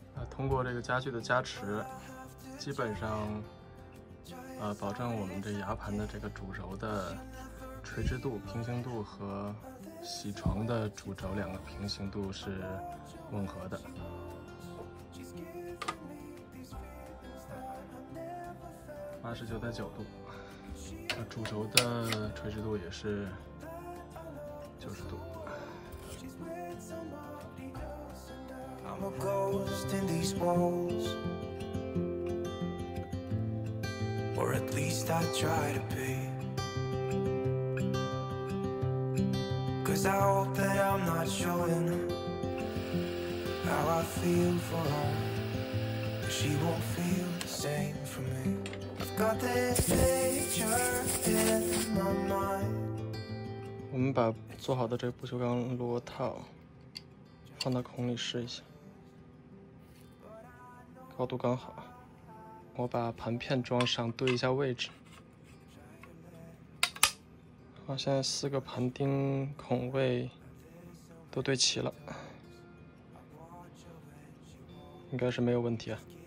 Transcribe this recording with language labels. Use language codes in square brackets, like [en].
[zh] 通过这个家具的加持，基本上保证我们这牙盘的这个主轴的垂直度、平行度和铣床的主轴两个平行度是吻合的。 89.9度，主轴的垂直度也是90度。 [en] I'm a ghost in these walls, or at least I try to be. 'Cause I hope that I'm not showing how I feel for her. She won't feel the same for me. I've got this picture in my mind. [zh] 我们把做好的这个不锈钢螺套放到孔里试一下。高度刚好，我把盘片装上，对一下位置。好，现在四个盘钉孔位都对齐了，应该是没有问题啊。